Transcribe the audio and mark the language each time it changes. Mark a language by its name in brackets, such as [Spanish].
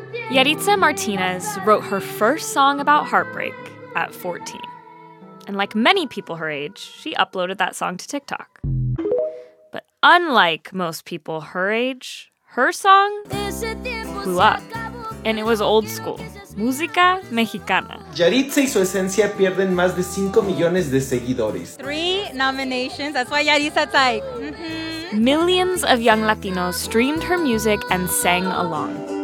[English] Yaritza Martinez wrote her first song about heartbreak at 14. And like many people her age, she uploaded that song to TikTok. But unlike most people her age, her song blew up. And it was old school. [Spanish] Música mexicana. Yaritza y su esencia pierden más de 5 millones de seguidores. [English] 3 nominations. That's why Yaritza's like, Millions of young Latinos streamed her music and sang along.